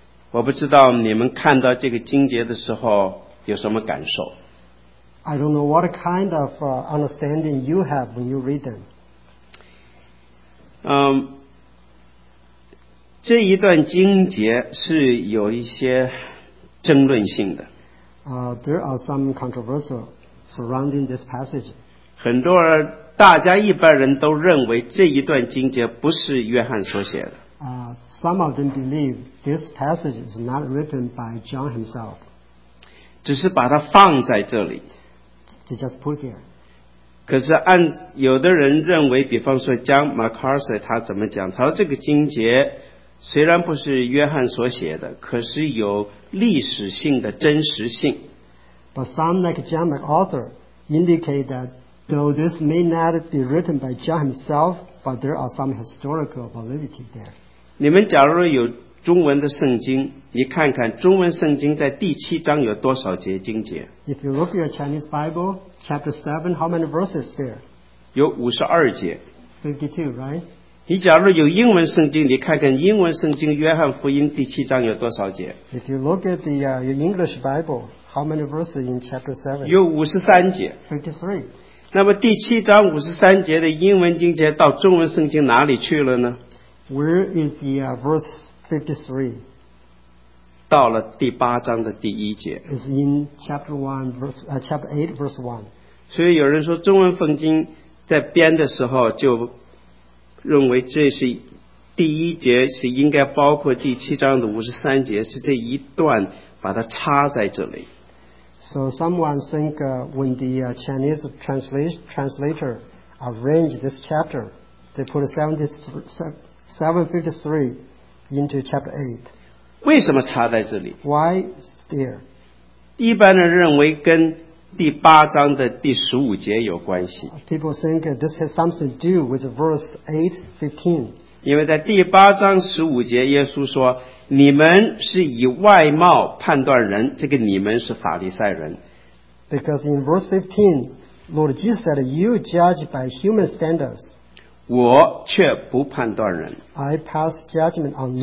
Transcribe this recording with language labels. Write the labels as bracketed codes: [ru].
[zh] 我不知道你们看到这个经节的时候有什么感受。 [en] I don't know what kind of understanding you have when you read them. [zh] 这一段经节是有一些争论性的。 [en] There are some controversial surrounding this passage. [zh] 很多人大家一般人都认为这一段经节不是约翰所写的。 [en] Some of them believe this passage is not written by John himself. [zh] 只是把它放在这里。 [en] They just put here. [zh] 可是按有的人认为，比方说 John MacArthur 他怎么讲？他说这个经节虽然不是约翰所写的，可是有历史性的真实性。 [en] But some like John MacArthur indicate that. Though this may not be written by John himself, but there are some historical validity there. [zh] 你们假如有中文的圣经，你看看中文圣经在第七章有多少节经节。 [en] If you look at your Chinese Bible, chapter 7, how many verses there? [zh] 有52节。 [en] 52, right? [zh] 你假如有英文圣经，你看看英文圣经约翰福音第七章有多少节。 [en] If you look at your English Bible, how many verses in chapter 7? [zh] 有53节。 [en] 53。 [zh] 那么第七章五十三节的英文经节到中文圣经哪里去了呢？ [en] Where is the verse 53? [zh] 到了第八章的第一节。 [en] It's in chapter 1 verse, chapter 8 verse 1. [zh] 所以有人说中文圣经在编的时候就认为这是第一节是应该包括第七章的五十三节，是这一段把它插在这里。 [en] So someone think when the Chinese translator arranged this chapter, they put 753 into chapter 8. [zh] 为什么插在这里？ [en] Why there? [zh] 一般人认为跟第八章的第十五节有关系。 [en] People think this has something to do with verse 8:15. [zh] 因为在第八章十五节，耶稣说：“你们是以外貌判断人，这个你们是法利赛人。” [en] Because in verse 15, Lord Jesus said, "You judge by human standards." [zh] 我却不判断人。 [en] I pass judgment on no one.